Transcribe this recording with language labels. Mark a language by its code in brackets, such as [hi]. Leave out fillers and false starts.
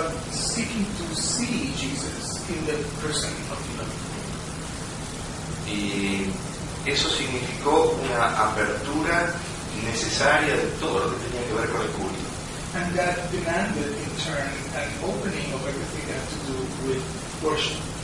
[en] Seeking to see Jesus in the person of the other. [es] Y eso significó una apertura necesaria de todo lo que tenía que ver con el culto. [en] And that demanded in turn an opening of everything that had to do with worship.